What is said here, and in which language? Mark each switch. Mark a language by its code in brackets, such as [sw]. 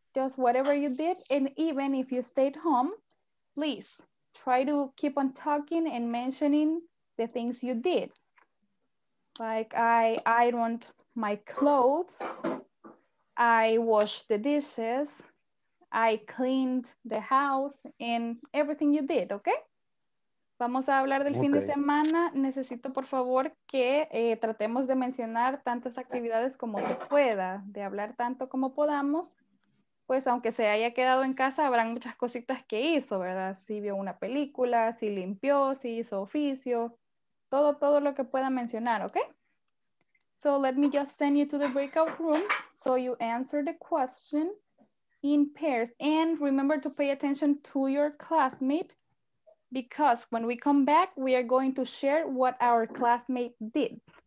[en] just whatever you did, and even if you stayed home, please try to keep on talking and mentioning the things you did. Like I ironed my clothes, I washed the dishes, I cleaned the house, and everything you did, okay? [es] Vamos a hablar del fin de semana. Necesito, por favor, que tratemos de mencionar tantas actividades como se pueda, de hablar tanto como podamos. Pues aunque se haya quedado en casa, habrán muchas cositas que hizo, ¿verdad? Si vio una película, si limpió, si hizo oficio, todo, todo lo que pueda mencionar, ¿ok? [en] So let me just send you to the breakout rooms so you answer the question in pairs. And remember to pay attention to your classmate, because when we come back, we are going to share what our classmate did.